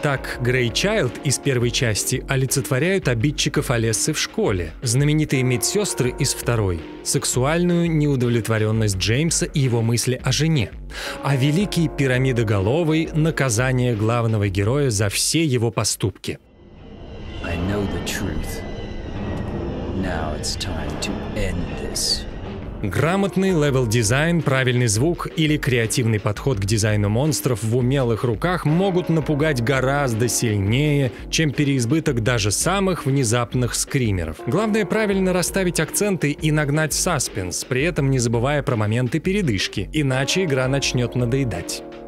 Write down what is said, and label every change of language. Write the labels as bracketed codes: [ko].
[ru] Так, Грей Чайлд из первой части олицетворяют обидчиков Алессы в школе, знаменитые медсестры из второй — сексуальную неудовлетворенность Джеймса и его мысли о жене, а великий пирамидоголовый — наказание главного героя за все его поступки. [en] I know the truth. Now it's time to end this. [ru] Грамотный левел-дизайн, правильный звук или креативный подход к дизайну монстров в умелых руках могут напугать гораздо сильнее, чем переизбыток даже самых внезапных скримеров. Главное — правильно расставить акценты и нагнать саспенс, при этом не забывая про моменты передышки, иначе игра начнет надоедать.